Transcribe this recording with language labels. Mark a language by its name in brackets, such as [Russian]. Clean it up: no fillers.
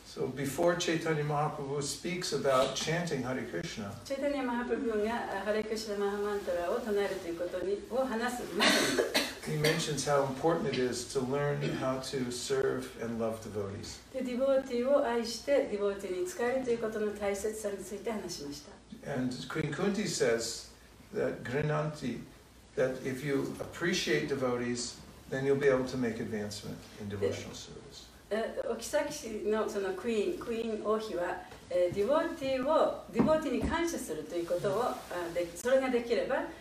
[English] So before Chaitanya Mahaprabhu speaks about chanting Hare Krishna, [Japanese] Chaitanya Mahaprabhu がハレクリシュナマハマントラを唱えるということにを話す前に。 [English] He mentions how important it is to learn how to serve and love devotees. [Japanese] で、ディボーティーを愛して、ディボーティーに仕えるということの大切さについて話しました。 [English] And Queen Kunti says that Grinanti, that if you appreciate devotees, then you'll be able to make advancement in devotional service. [Japanese] お妃のそのクイーン王妃は、ディボーティーに感謝するということを、それができれば、